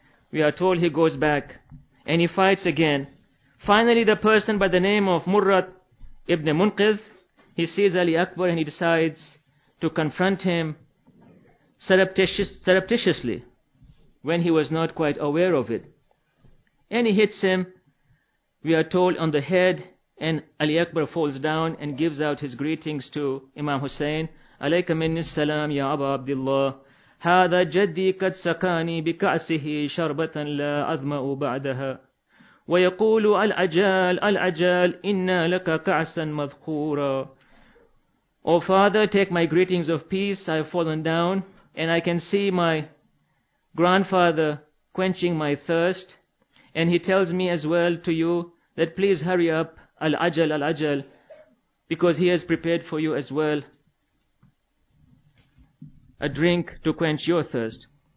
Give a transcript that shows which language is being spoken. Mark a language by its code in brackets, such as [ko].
[en] We are told he goes back and he fights again. Finally, the person by the name of Murrat ibn Munqidh, he sees Ali Akbar and he decides to confront him surreptitiously when he was not quite aware of it. And he hits him, we are told, on the head, and Ali Akbar falls down and gives out his greetings to Imam Hussein. [ar] Alayka minni salam ya Aba Abdullah. هذا جدي قد سقاني بكأسه شربة لا أظمأ بعدها ويقول العجال العجال إنا لك كأسا مذكورا. [en] O father, take my greetings of peace. I have fallen down and I can see my grandfather quenching my thirst. And he tells me as well to you that please hurry up, [ar] العجل العجل, [en] because he has prepared for you as well a drink to quench your thirst.